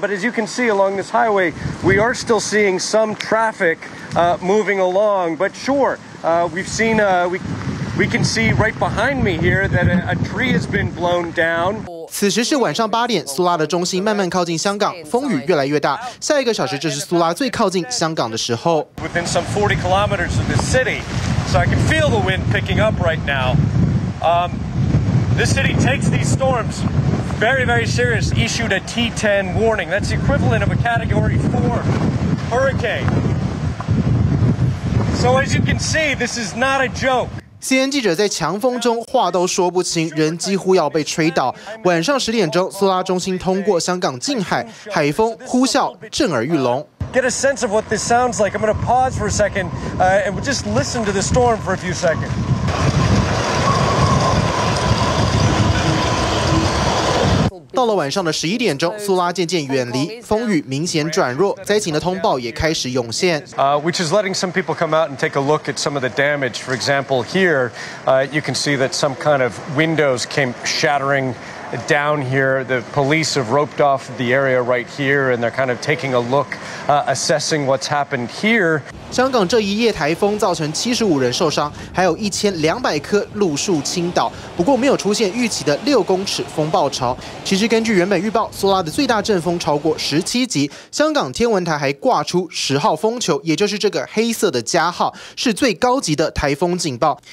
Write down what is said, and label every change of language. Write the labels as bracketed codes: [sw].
[en] But as you can see along this highway, we are still seeing some traffic moving along. But sure,we can see right behind me here that a tree has been blown down. [zh] 此时是晚上8点，苏拉的中心慢慢靠近香港，风雨越来越大。下一个小时，这是苏拉最靠近香港的时候。 [en] Within some 40 kilometers of the city, so I can feel the wind picking up right now. This city takes these storms very, very serious. Issued a T10 warning. That's the equivalent of a Category 4 hurricane. So as you can see, this is not a joke. [zh] CNN 记者在强风中话都说不清，人几乎要被吹倒。晚上10点钟，苏拉中心通过香港近海，海风呼啸，震耳欲聋。 [en] Get a sense of what this sounds like. I'm going to pause for a second, and just listen to the storm for a few seconds. [zh] 到了晚上的11点钟，苏拉渐渐远离，风雨明显转弱，灾情的通报也开始涌现。 [en] Which is letting some people come out and take a look at some of the damage. For example, here, you can see that some kind of windows came shattering. Down here, the police have roped off the area right here, and they're kind of taking a look, assessing what's happened here. [zh] 香港这一夜台风造成75人受伤，还有1200棵路树倾倒。不过没有出现预期的6公尺风暴潮。其实根据原本预报，苏拉的最大阵风超过17级。香港天文台还挂出10号风球，也就是这个黑色的加号，是最高级的台风警报。